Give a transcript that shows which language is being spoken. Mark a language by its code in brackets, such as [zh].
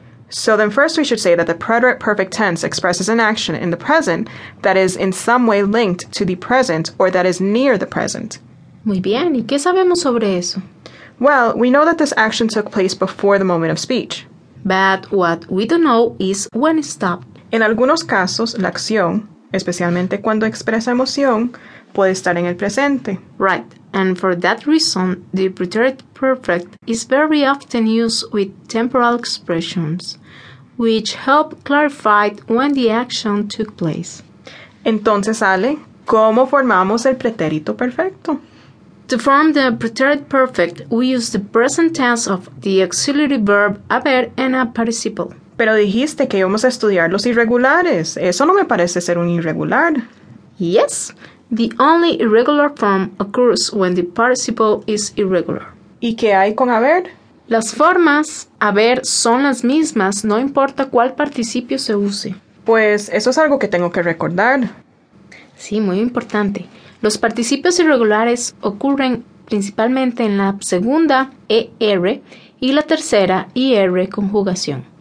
[en] So then first we should say that the preterite perfect tense expresses an action in the present that is in some way linked to the present or that is near the present. [es] Muy bien. ¿Y qué sabemos sobre eso? [en] Well, we know that this action took place before the moment of speech. But what we don't know is when it stopped. [es] En algunos casos, la acción, especialmente cuando expresa emoción, puede estar en el presente. [en] Right. And for that reason, the preterite perfect is very often used with temporal expressions, which help clarify when the action took place. [es] Entonces, Ale, ¿cómo formamos el pretérito perfecto? [en] To form the preterite perfect, we use the present tense of the auxiliary verb haber and a participle. [es] Pero dijiste que íbamos a estudiar los irregulares. Eso no me parece ser un irregular. [en] Yes, the only irregular form occurs when the participle is irregular. [es] ¿Y qué hay con haber? Las formas haber son las mismas, no importa cuál participio se use. Pues eso es algo que tengo que recordar. Sí, muy importante. Los participios irregulares ocurren principalmente en la segunda ER y la tercera IR conjugación.